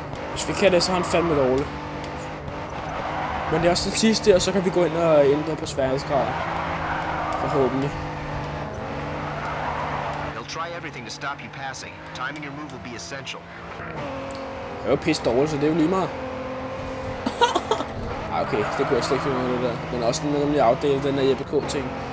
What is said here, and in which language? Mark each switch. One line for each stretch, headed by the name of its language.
Danish: Hvis vi kan det, så har han fandme dårlig. Men det er også det sidste, og så kan vi gå ind og ændre på sværhedsgrader. Forhåbentlig.
English: They'll try everything to stop you passing. Timing your move will be essential.
Danish: Jeg er jo pisse dårlig, så det er jo lige meget. Ah, okay. Det kunne jeg slet ikke finde noget af det der. Men også den nemlig afdelte den der JPK-ting.